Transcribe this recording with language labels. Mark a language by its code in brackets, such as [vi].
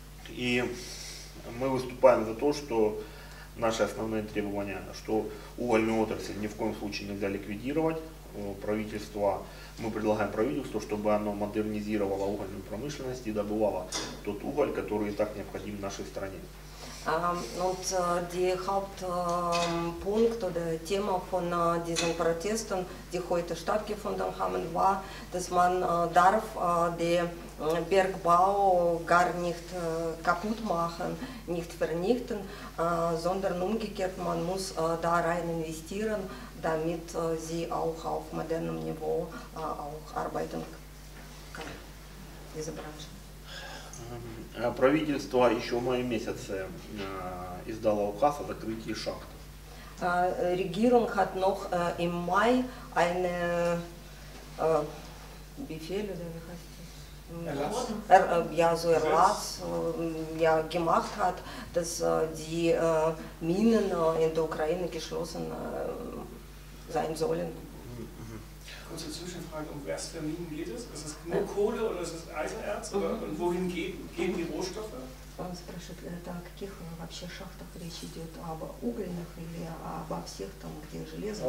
[ru] И мы выступаем за то, что наши основные требования, что угольную отрасль ни в коем случае нельзя ликвидировать. Правительство, мы предлагаем правительству, чтобы оно модернизировало угольную промышленность и добывало тот уголь, который и так необходим нашей стране. [de] Und der Hauptpunkt oder Thema von diesen Protesten, die heute stattgefunden haben, war, dass man darf den Bergbau gar nicht kaputt machen, nicht vernichten, sondern umgekehrt, man muss da rein investieren, damit sie auch auf modernem Niveau auch arbeiten kann, diese Branche. [ru] Правительство еще в мае месяце издало указ о закрытии шахт. [de] Regierung hat noch im Mai eine Befehl oder wie heißt das? Erlass gemacht hat, dass die Minen in der Ukraine geschlossen sein sollen. Kurze Zwischenfrage, um was für Minen geht es? Ist es nur Kohle oder ist es Eisenerz? Und wohin gehen die Rohstoffe? [ru] Он спрашивает, о каких вообще шахтах речь идет, об угольных или обо всех там, где железо?